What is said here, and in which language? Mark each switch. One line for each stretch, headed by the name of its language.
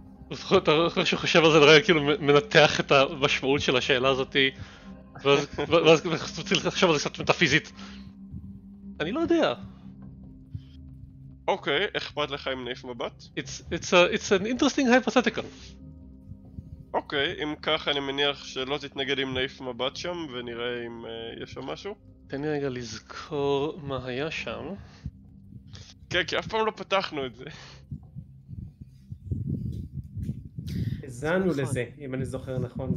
Hebrew: זאת אומרת, אתה חושב על זה לרגע, כאילו מנתח את המשמעות של השאלה הזאת, ואז חושב על זה קצת מטאפיזית. אני לא יודע. אוקיי, אכפת לך אם נעיף מבט?
English: It's an interesting hypothetical.
Hebrew: אוקיי, אם כך אני מניח שלא תתנגד אם נעיף מבט שם, ונראה אם יש שם משהו. תן לי רגע לזכור מה היה שם. כן, כי אף פעם לא פתחנו את זה. האזנו לזה, אם אני זוכר נכון.